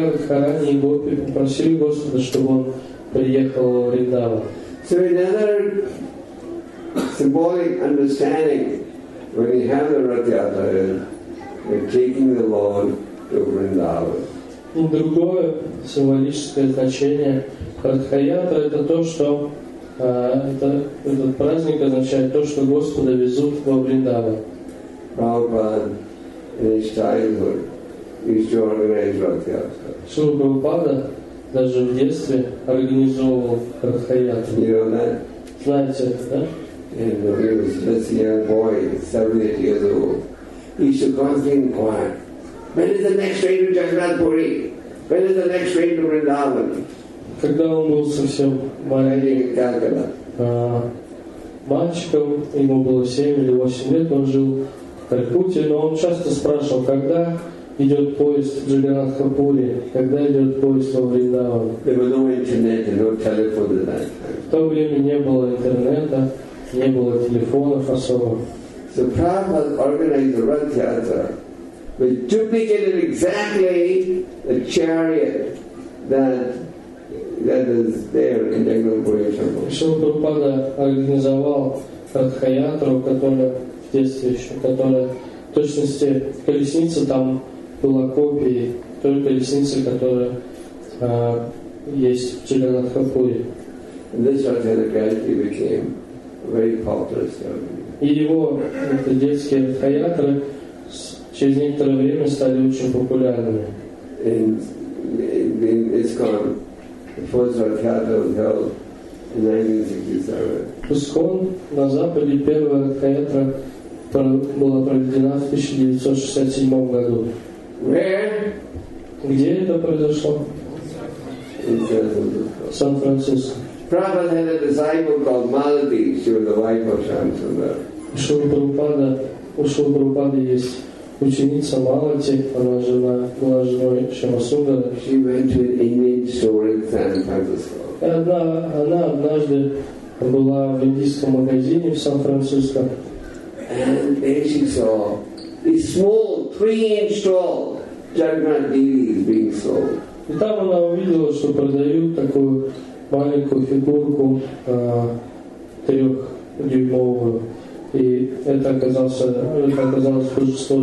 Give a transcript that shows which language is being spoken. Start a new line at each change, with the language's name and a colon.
Russian: Радхарани и Гопи попросили Господа, чтобы он приехал во Вриндаван.
English: So another symbolic understanding when you have the Ratyatra is taking the Lord to Vrindavan.
Russian: Другое символическое значение Ратхаятра — это то, что этот праздник означает то, что Господа везут во Вриндаван.
English: Prabhupada in his childhood used to organize Ратхаятра.
Russian: Шрила Прабхупада даже в детстве организовывал Ратхаятру.
English: You know that?
Russian: Знаете это, да?
English: And he was just a young boy, 7-8 years old. He used to constantly inquire, when is the next train to Jagannath Puri? When is the next train to Vrindavan?
Russian: Когда он был совсем маленьким, мальчиком, ему было 7 или 8 лет, он жил в Калькутте, но он часто спрашивал, когда идет поезд в Джаганнатха Пури, когда идет поезд во Вриндаван.
English: There was no internet and no telephone at that time.
Russian: В то время не было интернета, не было телефонов особых.
English: So Prabhupada organized the Rath Yatra, which duplicated exactly the chariot that is there in Jagannath Puri.
Russian: Шрила Прабхупада организовал Радхаятру, которая в детстве еще, которая в точности колесница там была копией той колесницы, которая есть в Джаганнатха Пури.
English: And this Rath Yatra gradually became a very popular ceremony.
Russian: И его это детские ратхаятры через некоторое время стали очень популярными.
English: In ISKCON, the first ratchatra was held in 1967.
Russian: ISKCON на Западе первая ратхаятра была проведена в 1967 году.
English: Where?
Russian: Где это произошло?
English: In
Russian: Сан-Франциско.
English: Prabhupada had a disciple called Malati. She was the wife of Shyamasundara.
Russian: У Шрилы Прабхупады есть ученица Малати, она жена, была женой Шамасундара.
English: She went to an Indian store in San Francisco.
Russian: Она однажды была в индийском магазине в Сан-Франциско.
English: And there she saw a small 3-inch tall Jagannath Devi being sold.
Russian: И там она увидела, что продают такую маленькую фигурку 3-дюймовую. И это оказалось божество